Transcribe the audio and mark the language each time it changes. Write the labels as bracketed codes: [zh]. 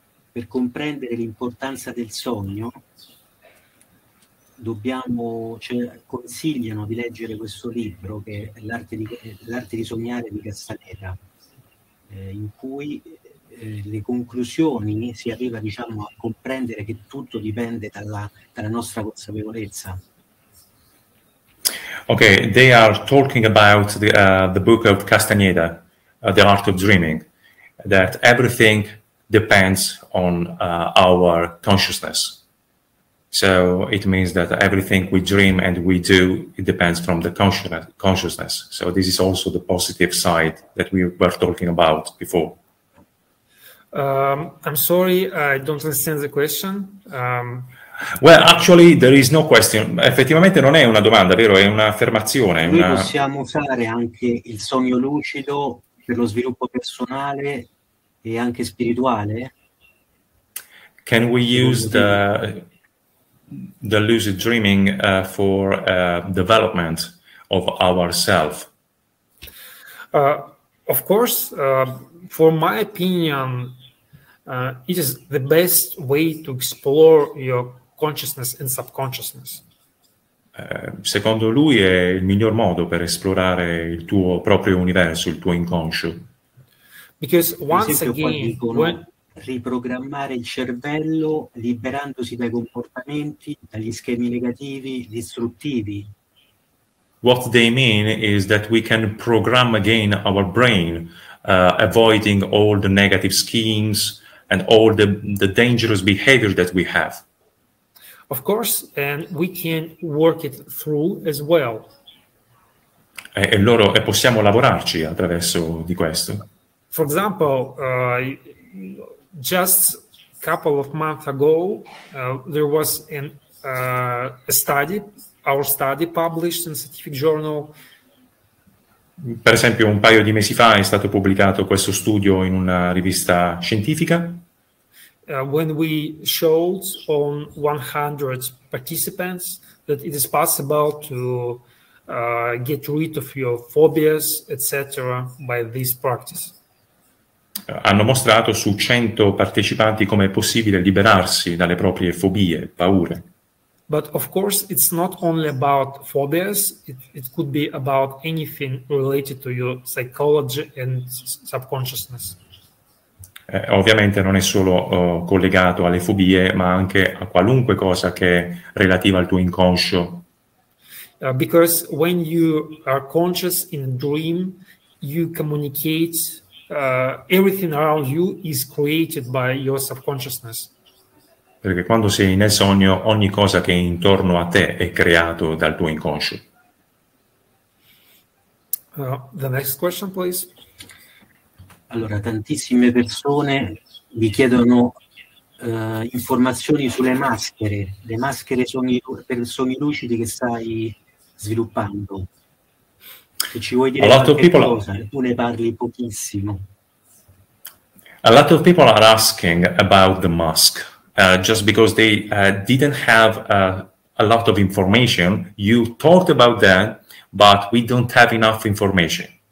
[it] Per comprendere l'importanza del sogno, consigliano di leggere questo libro, che è L'arte di sognare di Castaneda, in cui le conclusioni si arriva, diciamo, a comprendere che tutto dipende dalla nostra consapevolezza. [en] Ok, they are talking about the book of Castaneda, The Art of Dreaming, that everything depends on our consciousness. So it means that everything we dream and we do, it depends from the consciousness. So this is also the positive side that we were talking about before. I'm sorry, I don't understand the question. Well, actually, there is no question. [it] Effettivamente non è una domanda, vero? È un'affermazione. Noi possiamo usare anche il sogno lucido per lo sviluppo personale e anche spirituale? [en] Can we use the lucid dreaming for development of ourself? Of course, for my opinion, it is the best way to explore your consciousness and subconsciousness. [it] Secondo lui è il miglior modo per esplorare il tuo proprio universo, il tuo inconscio. [en] Because once again, [it] riprogrammare il cervello liberandosi dai comportamenti, dagli schemi negativi, distruttivi. [en] What they mean is that we can program again our brain, avoiding all the negative schemes and all the dangerous behavior that we have. Of course, and we can work it through as well. [it] E possiamo lavorarci attraverso di questo. [en] For example, just a couple of months ago, there was our study published in a scientific journal. [it] Per esempio, un paio di mesi fa è stato pubblicato questo studio in una rivista scientifica. [en] When we showed on 100 participants that it is possible to get rid of your phobias, etc., by this practice. [it] Hanno mostrato su 100 partecipanti come è possibile liberarsi dalle proprie fobie, paure. [en] But of course it's not only about phobias, it could be about anything related to your psychology and subconsciousness. [it] Ovviamente non è solo collegato alle fobie, ma anche a qualunque cosa che è relativa al tuo inconscio. [en] Because when you are conscious in a dream, you communicate. Everything around you is created by your subconsciousness. [it] Perché quando sei nel sogno, ogni cosa che è intorno a te è creato dal tuo inconscio. [en] The next question, please. [it] Allora, tantissime persone vi chiedono informazioni sulle maschere, le maschere per sogni lucidi che stai sviluppando. Se ci vuoi dire qualche cosa, tu ne parli pochissimo. [en] A lot of people are asking about the mask, just because they didn't have a lot of information. You talked about that, but we don't have enough information.